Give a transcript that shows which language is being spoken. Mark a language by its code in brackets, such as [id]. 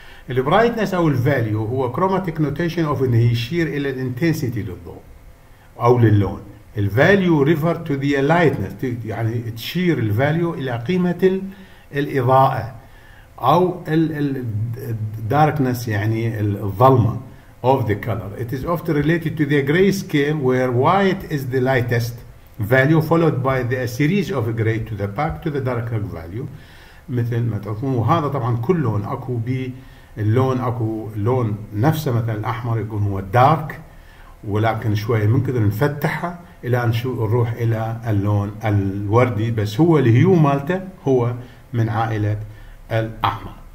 [ar] البرايتنس أو الفاليو هو [en] chromatic notation [ar] أو إنه يشير إلى الانتنسيتي للضوء أو للون. [en] الفاليو refer to the lightness, [ar] يعني تشير الفاليو إلى قيمة الإضاءة أو الداركنس يعني الظلمة [en] of the color. It is often related to the gray scale where white is the lightest value followed by the series of gray to the back to the darker value. [ar] مثل ما تقولون هذا طبعا كل لون أكو بي اللون أكو لون نفسه مثلا الأحمر يكون هو dark ولكن شوية منقدر نفتحها إلى أن نروح إلى اللون الوردي، بس هو الهيو مالته هو من عائلة الأحمر.